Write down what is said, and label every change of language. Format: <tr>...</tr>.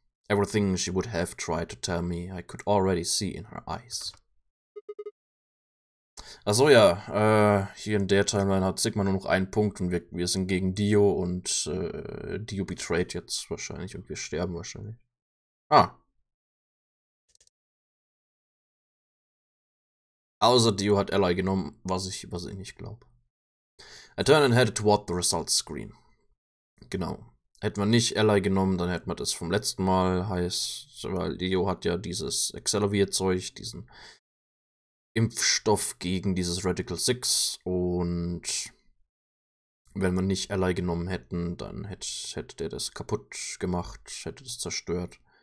<en>Everything she would have tried to tell me, I could already see in her eyes.</en> <de>Achso, ja, hier in der Timeline hat Sigma nur noch einen Punkt und wir sind gegen Dio und Dio betrayed jetzt wahrscheinlich und wir sterben wahrscheinlich. Ah. Außer Dio hat Ally genommen, was ich nicht glaube.</de> <en>I turned and headed toward the results screen.</en> <de>Genau. Hätten wir nicht Ally genommen, dann hätten wir das vom letzten Mal, heißt, weil Dio hat ja dieses Accelerier-Zeug, diesen Impfstoff gegen dieses Radical 6 und wenn wir nicht Ally genommen hätten, dann hätte der das kaputt gemacht, hätte das zerstört.</de>